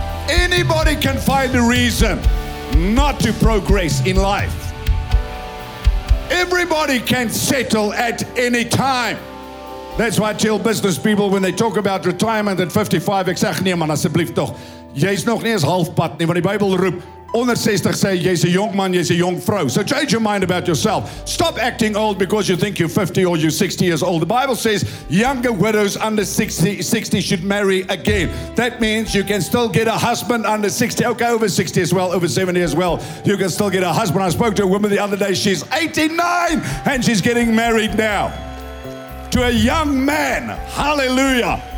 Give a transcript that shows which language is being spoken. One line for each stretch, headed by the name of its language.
English: Anybody can find a reason not to progress in life. Everybody can settle at any time. That's why I tell business people when they talk about retirement at 55,
Afrikaans: ek sê nee man, asseblief tog. Jy's nog nie eens halfpad nie, want die Bybel roep onder 60 sê jy's 'n jong man, jy's 'n jong vrou.
English: So change your mind about yourself. Stop acting old because you think you're 50 or you're 60 years old. The Bible says younger widows under 60 should marry again. That means you can still get a husband under 60. Okay, over 60 as well, over 70 as well. You can still get a husband. I spoke to a woman the other day. She's 89 and she's getting married now to a young man. Hallelujah.